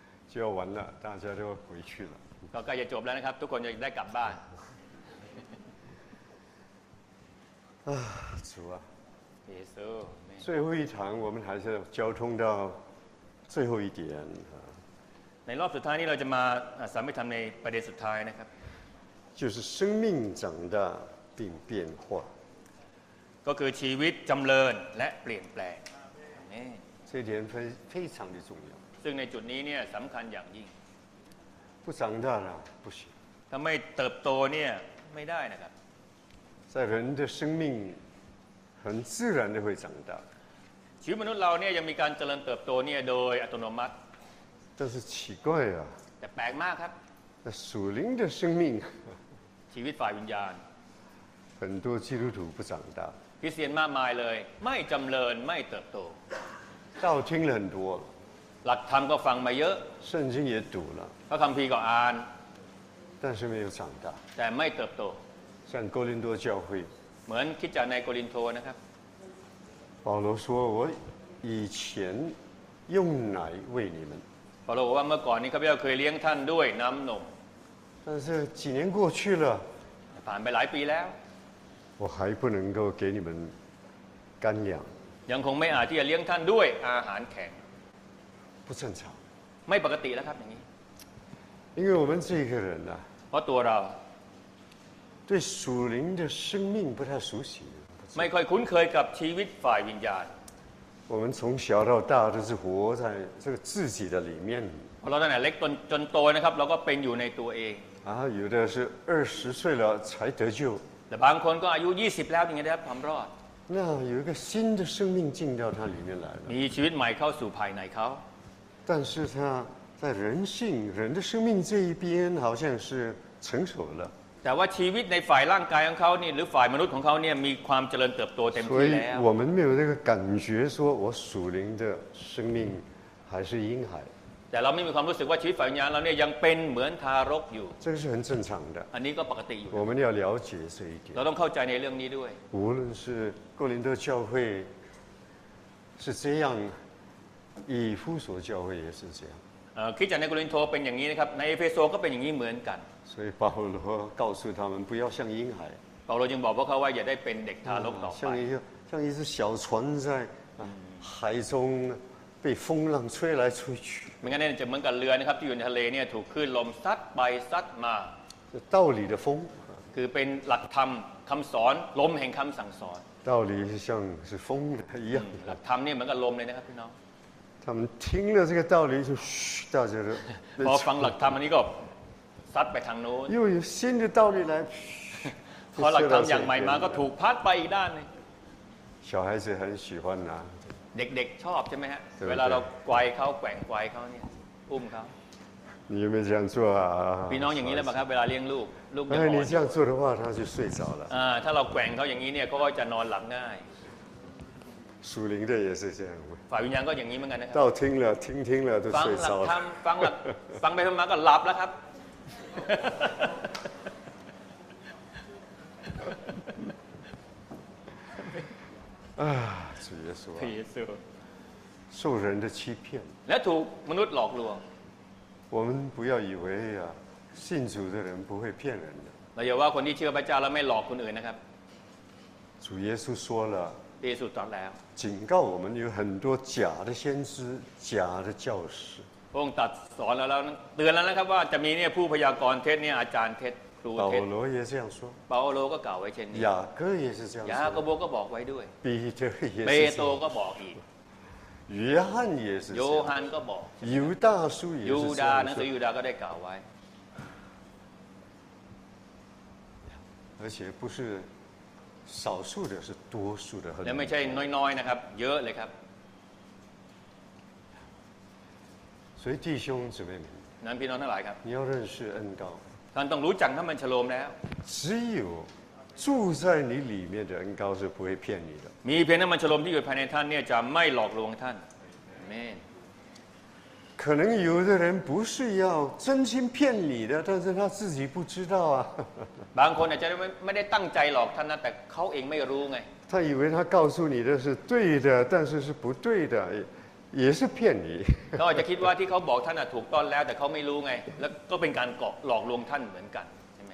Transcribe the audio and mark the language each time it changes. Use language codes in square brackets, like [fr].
[zh] 就要完了，大家就回去了。 [th] ก็ใกล้จะจบแล้วนะครับทุกคนจะได้กลับบ้าน。 [zh] 啊，主啊，耶稣，最后一堂我们还是交通到最后一点啊。 [th] ในรอบสุดท้ายนี้เราจะมาสามิธรรมในประเด็นสุดท้ายนะครับ [zh] 就是生命长大并变化 [th] ก็คือชีวิตจำเริญและเปลี่ยนแปลง [zh] 这点非常的重要 [th] ซึ่งในจุดนี้เนี่ยสำคัญอย่างยิ่ง [zh] 不长大了不行 [th] ถ้าไม่เติบโตเนี่ยไม่ได้นะครับ [zh] 在人的生命很自然的会长大 [th] ชีวิตมนุษย์เราเนี่ยยังมีการเจริญเติบโตเนี่ยโดยอัตโนมัติ [zh] 但是奇怪啊 [th] แต่แปลกมากครับ [zh] 那属灵的生命 [th] ชีวิตฝ่ายวิญญาณ [zh] 很多基督徒不长大 [th] คริสเตียนมากมายเลยไม่จำเริญไม่เติบโต [zh] 道听了很多 [th] หลักธรรมก็ฟังมาเยอะ [zh] 圣经也读了 [th] พระคัมภีร์ก็อ่าน [zh] 但是没有长大 [th] แต่ไม่เติบโต [zh] 像哥林多教会 [th] เหมือนคริสตจักรในโครินธ์นะครับ [zh] 保罗说我以前用奶喂你们 [th] เพราะเราว่าเมื่อก่อนนี้ข้าพเจ้าเคยเลี้ยงท่านด้วยน้ำนม [zh] 但是几年过去了 [th] ผ่านไปหลายปีแล้ว [zh] 我还不能够给你们干粮 [th] ยังคงไม่อาจที่จะเลี้ยงท่านด้วยอาหารแข็ง [zh] 不正常 [th] ไม่ปกติแล้วครับอย่างนี้ [zh] 因为我们这个人呢 [th] เพราะตัวเรา [zh] 对属灵的生命不太熟悉 [th] ไม่ค่อยคุ้นเคยกับชีวิตฝ่ายวิญญาณ [zh] 我们从小到大都是活在这个自己的里面。 [th] เราตั้งแต่เล็กจนโตนะครับเราก็เป็นอยู่ในตัวเอง。 [zh] 啊，有的是二十岁了才得救。 [th] แต่บางคนก็อายุ20แล้วถึงจะได้ความรอด。 [zh] 那有一个新的生命进到他里面来了。 [th] มีชีวิตใหม่เข้าสู่ภายในเขา。 [zh] 但是他在人性、人的生命这一边好像是成熟了。 [th] แต่ว่าชีวิตในฝ่ายร่างกายของเขาเนี่ยหรือฝ่ายมนุษย์ของเขาเนี่ยมีความเจริญเติบโตเต็มที่แล้ว [zh] 所以我们没有那个感觉说我属灵的生命还是婴孩 [th] แต่เราไม่มีความรู้สึกว่าชีวิตฝ่ายวิญญาณเราเนี่ยยังเป็นเหมือนทารกอยู่ [zh] 这个是很正常的 [th] อันนี้ก็ปกติอยู่ [zh] 我们要了解这一点 [th] เราต้องเข้าใจในเรื่องนี้ด้วย [zh] 无论是哥林多教会是这样以弗所教会也是这样 [th] คริสตจักรในโครินธ์เป็นอย่างนี้นะครับในเอเฟซัสก็เป็นอย่างนี้เหมือนกัน [zh] 所以保罗告诉他们不要像婴孩 [th] เปาโลจึงบอกพวกเขาว่าอย่าได้เป็นเด็กทารกต่อไป [zh] 像一只小船在海中被风浪吹来吹去 [th] ไม่งั้นจะเหมือนกับเรือนะครับที่อยู่ในทะเลเนี่ยถูกคลื่นลมซัดไปซัดมา [zh] 道理的风 [th] คือเป็นหลักธรรมคำสอนลมแห่งคำสั่งสอน [zh] 道理是像是风的一样 [th] หลักธรรมเนี่ยเหมือนกับลมเลยนะครับพี่น้อง [zh] 他们听了这个道理就嘘大家都 [th] พอฟังหลักธรรมอันนี้ก็ซัดไปทางโน้น [zh] 又有新的道理来 [th] พอหลักธรรมอย่างใหม่มาก็ถูกพัดไปอีกด้านนึง [zh] 小孩子很喜欢呐 [th] เด็กๆชอบใช่ไหมฮะเวลาเราไกวเขาแกว่งไกวเขาเนี่ยอุ้มเขา [zh] 你有没有这样做啊 [th] พี่น้องอย่างนี้แล้วครับเวลาเลี้ยงลูกลู [zh] กเนี่ย你这样做的话他就睡着了 [th] ถ้าเราแกว่งเขาอย่างนี้เนี่ยเขาก็จะนอนหลับง่าย [zh] สุลิงเดียร์是这样 [th] ฝ่ายวิญญาณก็อย่างนี้เหมือนกันนะครับ ต้องทิ้งแล้วต้อง ฟัง หลักธรรมฟังหลักฟังไปมาก็หลับแล้วครับ [zh] 主耶稣啊，受人的欺骗， [th] และถูกมนุษย์หลอกลวง [zh] 我们不要以为啊，信主的人不会骗人的。 [th] เราอย่าว่าคนที่เชื่อพระเจ้าแล้วไม่หลอกคนอื่นนะครับ [zh] 主耶稣说了。耶稣讲了，警告我们有很多假的先知、假的教师。 [th] พระองค์ตรัสสอนแล้วเตือนแล้วนะครับว่าจะมีเนี่ยผู้พยากรณ์เท็จเนี่ยอาจารย์เท็จครูเท็จ [zh] 保罗也这样说。 [th] 保罗ก็กล่าวไว้เช่นนี้ [zh] 。雅各也是这样。 [th] 雅各ก็บอกไว้ด้วย。 [zh] 彼得也是。 [th] เปโตรก็บอกอีก。 [zh] 约翰也是。 [th] โยฮันก็บอก。 [zh] ยูดาห์也是。 [th] ยูดาห์หนังสือยูดาห์ก็ได้กล่าวไว้ [zh] 。 而且不是。少数的是多数的很多， [th] และไม่ใช่น้อยๆนะครับเยอะเลยครับ [zh] 所以弟兄姊妹们 [th] นั้นพี่น้องทั้งหลายครับ [zh] 你要认识恩膏 [th] ท่านต้องรู้จักพระมันชโลมแล้ว [zh] 只有住在你里面的恩膏是不会骗你的 [th] มีเพียงพระมันชโลมที่อยู่ภายในท่านเนี่ยจะไม่หลอกลวงท่านอาเมน [zh] 可能有的人不是要真心骗你的，但是他自己不知道啊。 [th] บางคนอาจจะไม่ได้ตั้งใจหลอกท่านนะแต่เขาเองไม่รู้ไง。 [zh] 他以为他告诉你的是对的，但是是不对的，也是骗你。 [th] เขาจะคิดว่าที่เขาบอกท่านถูกต้องแล้วแต่เขาไม่รู้ไงแล้วก็เป็นการหลอกลวงท่านเหมือนกันใช่ไหม